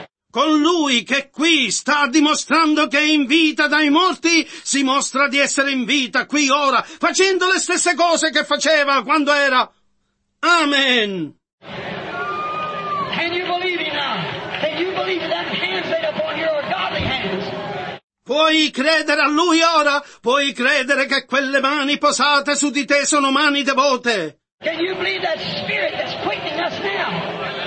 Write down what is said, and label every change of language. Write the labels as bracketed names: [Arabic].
[Italian] Con lui che qui sta dimostrando che è in vita dai morti, si mostra di essere in vita qui ora, facendo le stesse cose che faceva quando era. [English] Amen. Can you believe it now? Can you believe that hands laid upon your godly hands? [Italian] Puoi credere a lui ora? Puoi credere che quelle mani posate su di te sono mani devote? [English] Can you believe that spirit that's quickening us now?